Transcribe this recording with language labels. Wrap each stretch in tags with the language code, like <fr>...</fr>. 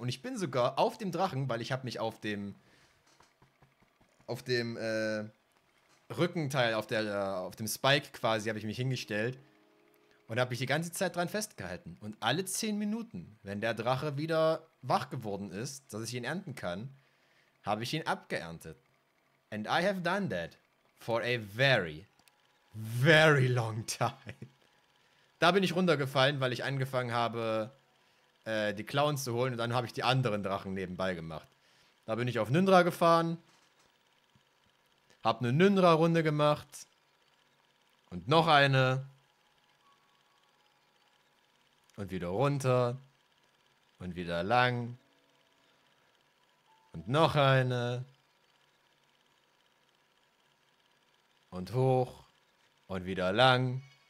<de>Und ich bin sogar auf dem Drachen, weil ich habe mich auf dem Rückenteil, auf dem Spike quasi, habe ich mich hingestellt und habe mich die ganze Zeit dran festgehalten. Und alle 10 Minuten, wenn der Drache wieder wach geworden ist, dass ich ihn ernten kann, habe ich ihn abgeerntet.</de> <en>And I have done that for a very, very long time.</en> <de>Da bin ich runtergefallen, weil ich angefangen habe, die Clowns zu holen und dann habe ich die anderen Drachen nebenbei gemacht. Da bin ich auf Nyndra gefahren, habe eine Nyndra-Runde gemacht und noch eine und wieder runter und wieder lang und noch eine und hoch und wieder lang.</de>